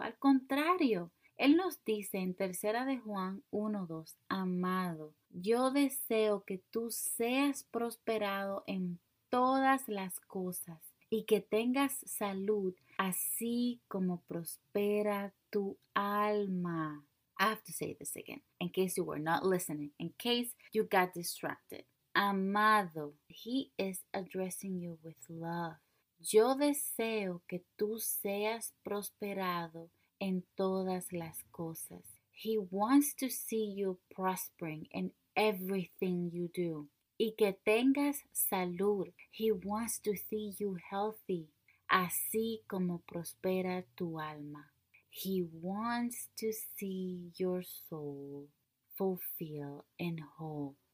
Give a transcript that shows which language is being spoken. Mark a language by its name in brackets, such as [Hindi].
[Spanish] Al contrario, Él nos dice en 3 Juan 1:2, amado, yo deseo que tú seas prosperado en todas las cosas y que tengas salud así como prospera tu alma. [English] I have to say this again, in case you were not listening, in case you got distracted. Amado, he is addressing you with love. [Spanish] Yo deseo que tú seas prosperado en todas las cosas. [English] He wants to see you prospering in everything you do. [Spanish] Y que tengas salud. [English] He wants to see you healthy. [Spanish] Así como prospera tu alma. [English] He wants to see your soul fulfilled and whole.